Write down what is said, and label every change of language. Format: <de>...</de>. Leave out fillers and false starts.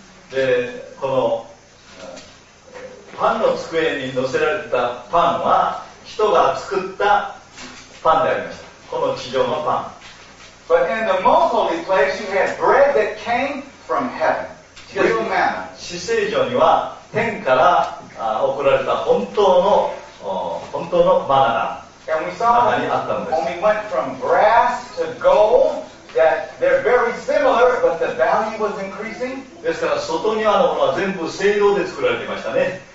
<ja>で、この、パンの机に載せられたパンは人が作ったパンでありました。この地上のパン。</ja> <en>But in the most holy place, you had bread that came from heaven. Real manna.</en> <ja>至聖所には天から送られた本当の、本当のマナが、中にあったんです。</ja> <en>And we went from brass to gold. That they're very similar, but the value was increasing.</en> <ja>ですから外庭のものは全部青銅で作られていましたね。</ja>